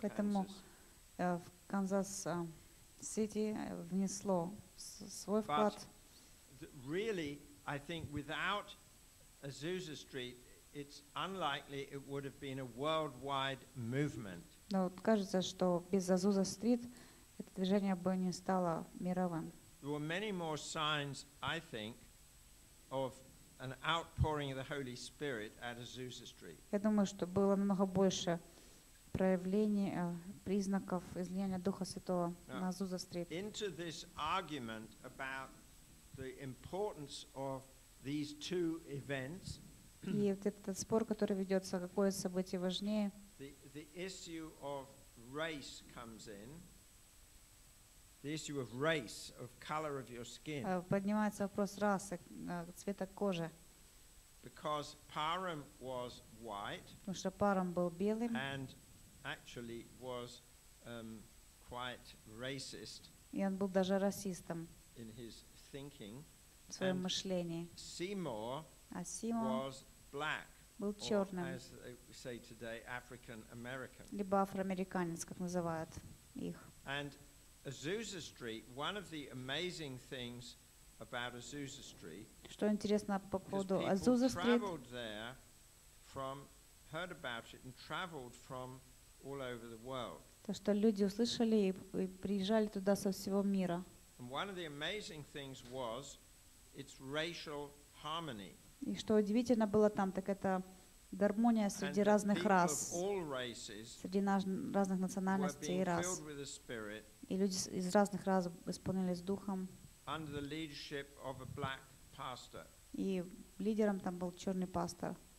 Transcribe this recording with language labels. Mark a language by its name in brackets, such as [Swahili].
[Russian] Поэтому в Канзас Сити внесло свой вклад. [English] Really, I think without Azusa Street, it's unlikely it would have been a worldwide movement. [Russian] Но кажется, что без Азуза Стрит это движение бы не стало мировым. [English] There were many more signs, I think, of an outpouring of the Holy Spirit at Azusa Street. [Russian] Я думаю, что было намного больше проявлений, признаков излияния Духа Святого на Азуза Стрит. [English] Into this argument about the importance of these two events. [Russian] И вот этот спор, который ведется, какое событие важнее? [English] The issue of race comes in. The issue of race, of color of your skin. [Russian] Поднимается вопрос расы, цвета кожи. [English] Because Parham was white. [Russian] Потому что Парам был белым. [English] And actually was quite racist. [Russian] И он был даже расистом. [English] In his thinking, [Russian] своем мышлении. [English] Seymour was black, [Russian] был черным, [English] or as they say today, African American. [Russian] Либо афроамериканец, как называют их. [English] And Azusa Street. One of the amazing things about Azusa Street. [Russian] Что интересно по поводу Азуза Стрит? [English] People traveled there from, heard about it, and traveled from all over the world. [Russian] То, что люди услышали и приезжали туда со всего мира. [English] And one of the amazing things was its racial harmony. [Russian] И что удивительно было там, так это гармония среди разных рас, среди разных национальностей и рас. И люди из разных рас исполнились духом. [English] Under the leadership of a black pastor. [Russian] И лидером там был черный пастор.